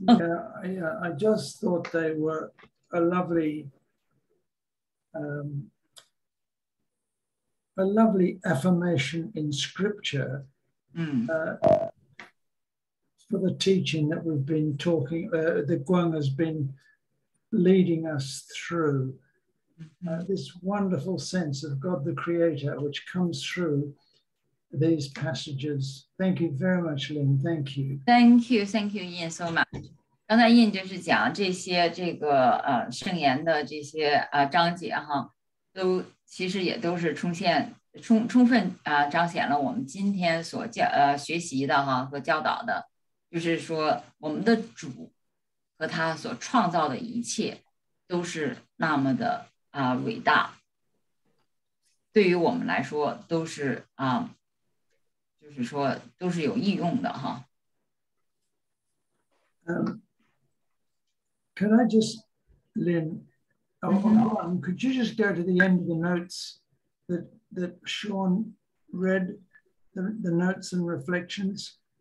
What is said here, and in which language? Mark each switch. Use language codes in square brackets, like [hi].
[en] I just thought they were a lovely, affirmation in scripture for the teaching that we've been talking, that Gwang has been leading us through, this wonderful sense of God the Creator, which comes through these passages. Thank you very much, Lynn. Thank you. Thank you, Ian, so much. [zh] 刚才印就是讲这些这个圣言的这些章节哈，都其实也都是充分彰显了我们今天所教学习的哈和教导的，就是说我们的主和他所创造的一切都是那么的伟大，对于我们来说都是就是说都是有应用的哈。 [en] Can I just, Lynn, could you just go to the end of the notes that Sean read, the notes and reflections?